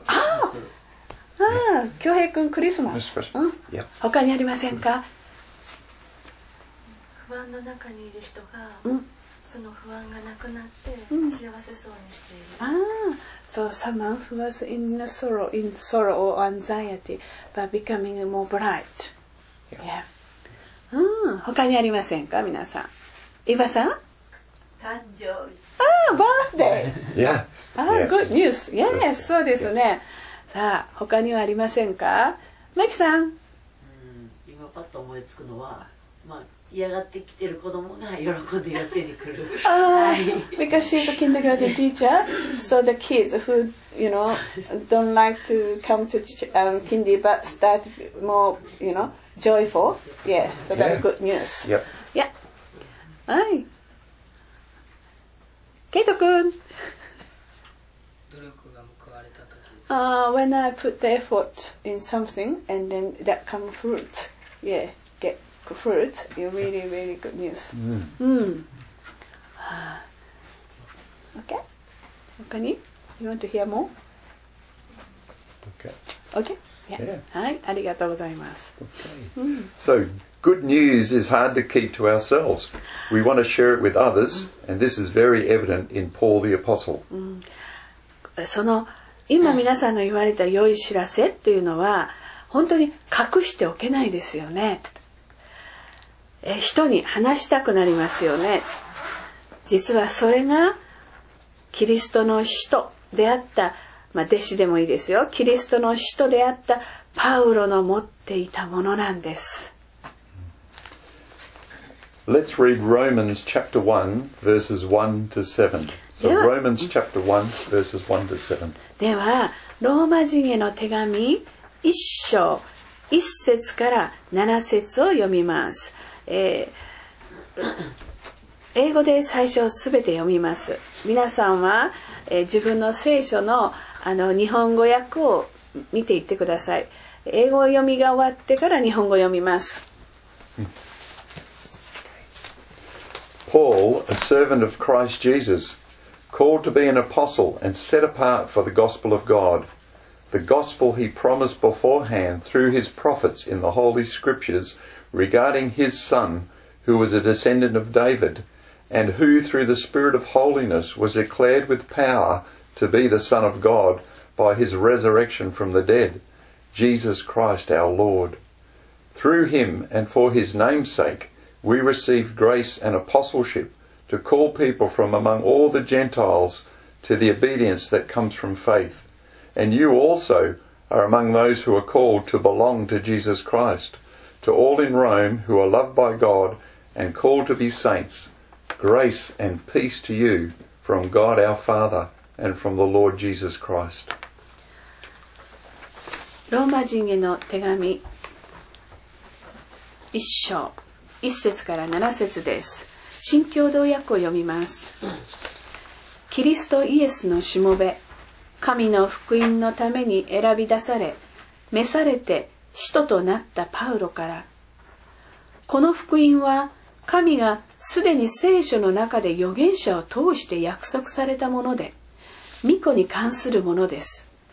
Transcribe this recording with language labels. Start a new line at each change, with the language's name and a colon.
Japanese: ああ、京平くんクリスマス。うん。他にありませんか。不安の中にいる人が、その不安がなくなって幸せそうにしている。
English: ああ、so someone who was in the sorrow, in sorrow or anxiety, but becoming more bright. Yeah.
Japanese: うん。他にありませんか、皆さん。伊庭さん。誕生日。
English: Ah, birthday. Yes. Ah, yes. Good news. Yes, yes.
Japanese: そうですね。
English: Yes.
Japanese: さあ、他にはありませんか？マキさん。今パッと思いつくのは、まあ、嫌がってきてる子供が喜んで寄せに来る。
English: because she's a kindergarten teacher, so the kids who, you know, don't like to come to kindy but start more, you know, joyful. Yeah, so that's good news. Yep. Yeah. はい。
Japanese: ケイト君。努力が報われた時。
English: When I put the effort in something and then that come fruit, yeah, get fruit, you really, really good news. Okay.
Japanese: 他に
English: You want to hear more? Okay. Okay. Yeah.
Japanese: はい、ありがとうございます。
English: Okay. So. Good news is hard to keep to ourselves. We want to share it with others, and this is very evident in Paul the Apostle.
Japanese: その今皆さんの言われた良い知らせというのは本当に隠しておけないですよね。人に話したくなりますよね。実はそれがキリストの使徒であった、まあ、弟子でもいいですよ。キリストの使徒であったパウロの持っていたものなんです。 Let's read Romans chapter 1, verses 1 to 7. So Romans chapter 1, verses 1 to 7. では、ローマ人への手紙1章1節から7節を読みます。英語で最初すべて読みます。皆さんは、自分の聖書の、日本語訳を見ていってください。英語読みが終わってから日本語読みます。
English: Paul, a servant of Christ Jesus, called to be an apostle and set apart for the gospel of God, the gospel he promised beforehand through his prophets in the Holy Scriptures regarding his son, who was a descendant of David, and who through the Spirit of holiness was declared with power to be the Son of God by his resurrection from the dead, Jesus Christ our Lord. Through him and for his name's sake,We receive grace and apostleship to call people from among all the Gentiles to the obedience that comes from faith. And you also are among those who are called to belong to Jesus Christ, to all in Rome who are loved by God and called to be saints. Grace and peace to you from God our Father and from the Lord Jesus Christ.
Japanese: ローマ人への手紙一章1節から7節です。新共同訳を読みます。キリストイエスのしもべ、神の福音のために選び出され、召されて使徒となったパウロから、この福音は神がすでに聖書の中で預言者を通して約束されたもので、巫女に関するものです。